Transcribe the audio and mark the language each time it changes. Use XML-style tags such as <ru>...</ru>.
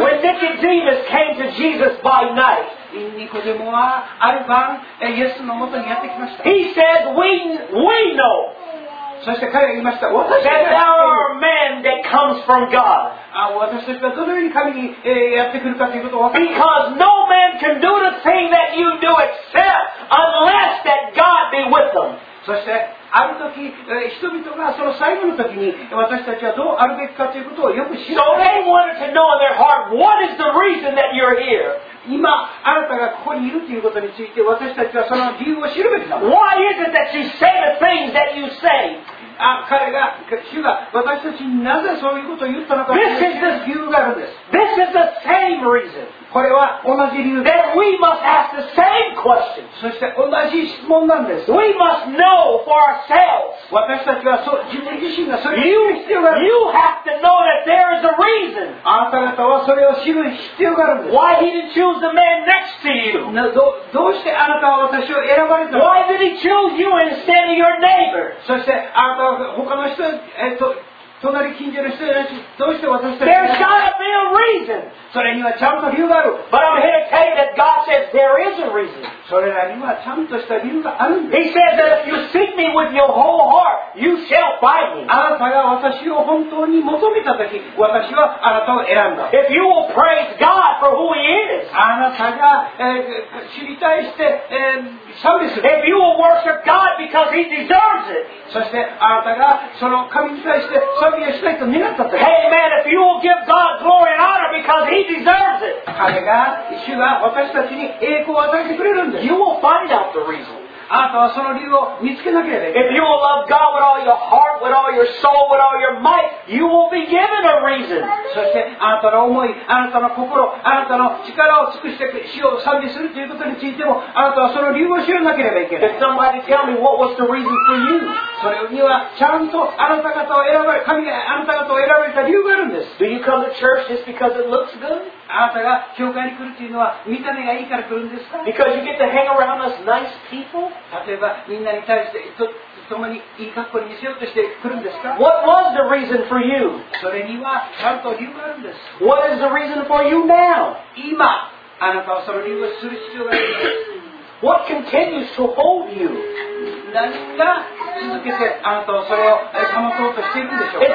<en>When Nicodemus came to Jesus by night,</en> <ja>ニコデモはある晩イエスの元にやってきました。</ja> <en>He said, we know.</en> <ja>そして彼が言いました。</ja> <en>That thou art a man that comes from God.</en> <ja>私たちがどのように神にやってくるかということを</ja> <en>Because no man can do the thing that you do except unless that God be with them.</en> <ja>そしてある時人々がその最後の時に私たちはどうあるべきかということをよく知る。</ja> <en>So they wanted to know in their heart what is the reason that you're here.</en> <ja>今あなたがここにいるということについて私たちはその理由を知るべきだ。</ja> <en>Why is it that you say the things that you say?</en> <ja>主が私たちになぜそういうことを言ったのか。</ja> <en>This is the same reason.</en> <ja>これは同じ理由。</ja> <en>Then we must ask the same question.</en> <ja>そして同じ質問なんです。</ja> <en>We must know for ourselves.</en> <ja>私たちは自分自身がそれを知る必要がある。</ja> <en>You have to know that there is a reason.</en> <ja>あなた方はそれを知る必要があるんです。</ja> <en>Why he didn't choose the man next to you?</en> <ja>どうしてあなたは私を選ばれたの。</ja> <en>Why did he choose you instead of your neighbor?</en> <ja>そして他の人、隣近所の人たち、どうして私たち。</ja> <en>There's got to be a reason.</en> <ja>それにはちゃんと理由がある。</ja> <en>But I'm here to tell you that God says there is a reason.</en> <ja>それらにはちゃんとした理由があるんです。</ja> <en>He says that if you seek me with your whole heart, you shall find me.</en> <ja>あなたが私を本当に求めたとき、私はあなたを選んだ。</ja> <en>If you will praise God for who He is.</en> <ja>あなたが知りたいして、</ja> <en>If you will worship God because He deserves it.</en> <ja>そしてあなたがその神に対して賛美をしたいと願ったと。</ja> <en>Hey man, if you will give God glory and honor because He deserves it.</en> <ja>彼が、主が私たちに栄光を与えてくれるんです。</ja> <en>You will find out the reason.</en> <ja>あなたはその理由を見つけなければ。</ja> <en>If you will love God with all your heart, with all your soul, with all your might, you will be given a reason.</en> <ja>そしてあなたの思い、あなたの心、あなたの力を尽くして主を賛美するということについても、あなたはその理由を知らなければいけない。</ja> <en>Did somebody tell me what was the reason for you?</en> <ja>それにはちゃんとあなた方を選ばれ、神があなた方を選ばれた理由があるんです。</ja> <en>Do you come to church just because it looks good?</en> <ja>あなたが教会に来るというのは見た目がいいから来るんですか?</ja> <en>Because you get to hang around us nice people?</en> <ja>例えばみんなに対して共にいい格好に見せようとして来るんですか?</ja> <en>What was the reason for you?</en> <ja>それにはちゃんと理由があるんです。</ja> <en>What is the reason for you now?</en> <ja>今あなたはその理由をする必要があるんです。</ja> <en>What continues to hold you?</en> <ja>何が続けてあなたをそれを保とうとしているんでしょうか?</ja>